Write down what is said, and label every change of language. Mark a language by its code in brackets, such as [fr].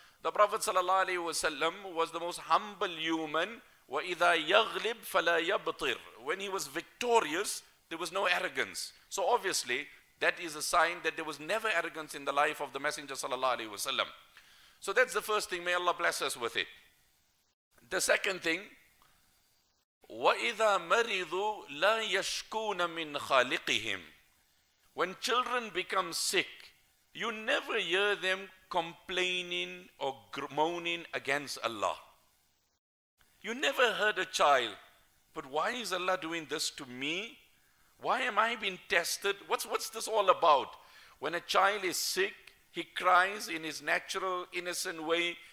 [en] The Prophet Sallallahu Alaihi Wasallam was the most humble human. [ar] وَإِذَا يَغْلِبْ فَلَا يَبْطِرْ. [en] When he was victorious, there was no arrogance. So obviously, that is a sign that there was never arrogance in the life of the Messenger Sallallahu Alaihi Wasallam. So that's the first thing. May Allah bless us with it. The second thing, [ar] وَإِذَا مَرِضُوا لَا يَشْكُونَ مِنْ خَالِقِهِمْ. [en] When children become sick, you never hear them complaining or moaning against Allah. You never heard a child, but why is Allah doing this to me? Why am I being tested? What's this all about? When a child is sick, he cries in his natural, innocent way.